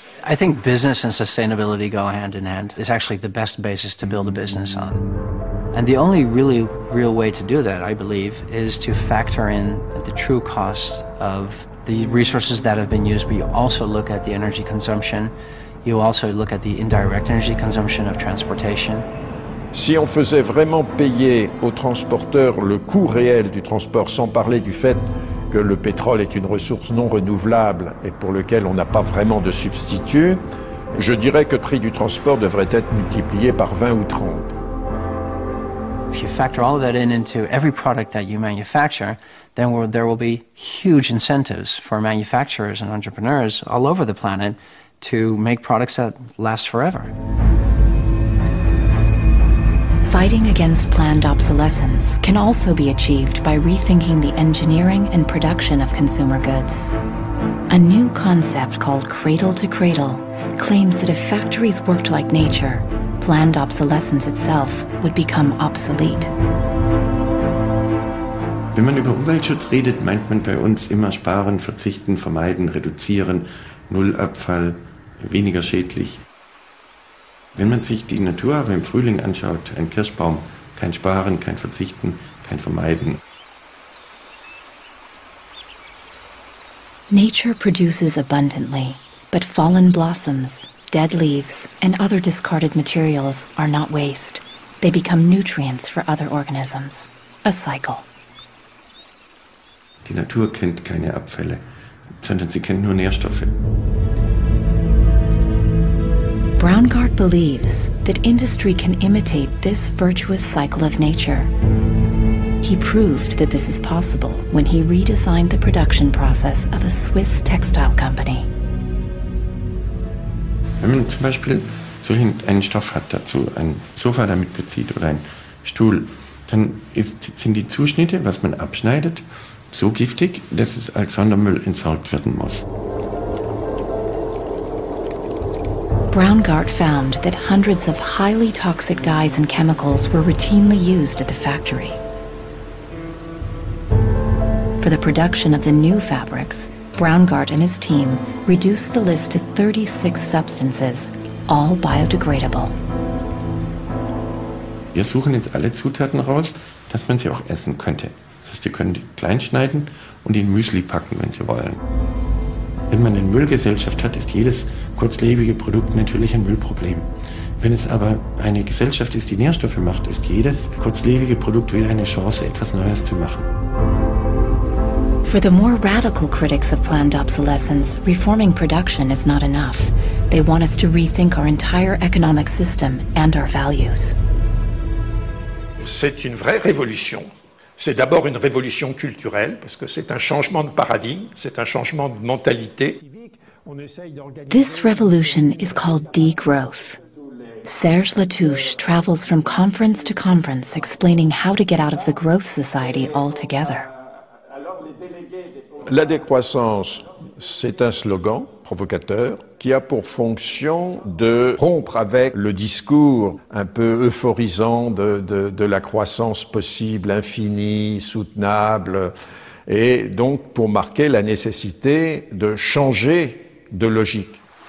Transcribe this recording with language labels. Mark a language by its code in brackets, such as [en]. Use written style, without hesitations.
[en] I think business and sustainability go hand in hand. It's actually the best basis to build a business on. And the only really real way to do that, I believe, is to factor in the true costs of the resources that have been used, but you also look at the energy consumption. You also look at the indirect energy consumption of transportation. [fr] Si on faisait vraiment payer aux transporteurs le coût réel du transport, sans parler du fait que le pétrole est une ressource non renouvelable et pour lequel on n'a pas vraiment de substitut, je dirais que le prix du transport devrait être multiplié par 20 ou 30. [en] If you factor all of that in into every product that you manufacture, then there will be huge incentives for manufacturers and entrepreneurs all over the planet to make products that last forever. Fighting against planned obsolescence can also be achieved by rethinking the engineering and production of consumer goods. A new concept called cradle to cradle claims that if factories worked like nature, planned obsolescence itself would become obsolete. [de] Wenn man über Umweltschutz redet, meint man bei uns immer sparen, verzichten, vermeiden, reduzieren, null Abfall, weniger schädlich. Wenn man sich die Natur aber im Frühling anschaut, ein Kirschbaum, kein Sparen, kein Verzichten, kein Vermeiden. [en] Nature produces abundantly, but fallen blossoms, dead leaves, and other discarded materials are not waste. They become nutrients for other organisms. A cycle. [de] Die Natur kennt keine Abfälle, sondern sie kennt nur Nährstoffe. [en] Braungart believes that industry can imitate this virtuous cycle of nature. He proved that this is possible when he redesigned the production process of a Swiss textile company. [de] Wenn man zum Beispiel so einen Stoff hat dazu, ein Sofa damit bezieht oder ein Stuhl, dann sind die Zuschnitte, was man abschneidet, so giftig, dass es als Sondermüll entsorgt werden muss. [en] Braungart found that hundreds of highly toxic dyes and chemicals were routinely used at the factory. For the production of the new fabrics, Braungart and his team reduced the list to 36 substances, all biodegradable. [de] Wir suchen jetzt alle Zutaten raus, dass man sie auch essen könnte. Das heißt, sie können die klein schneiden und in Müsli packen, wenn sie wollen. Wenn man eine Müllgesellschaft hat, ist jedes kurzlebige Produkt natürlich ein Müllproblem. Wenn es aber eine Gesellschaft ist, die Nährstoffe macht, ist jedes kurzlebige Produkt wieder eine Chance, etwas Neues zu machen. [en] For the more radical critics of planned obsolescence, reforming production is not enough. They want us to rethink our entire economic system and our values. [fr] C'est une vraie révolution. C'est d'abord une révolution culturelle, parce que c'est un changement de paradigme, c'est un changement de mentalité. [en] This revolution is called degrowth. Serge Latouche travels from conference to conference explaining how to get out of the growth society altogether. [fr] La décroissance, c'est un slogan provocateur qui a pour fonction de rompre avec le discours un peu euphorisant de la croissance possible, infinie, soutenable, et donc pour marquer la nécessité de changer de logique.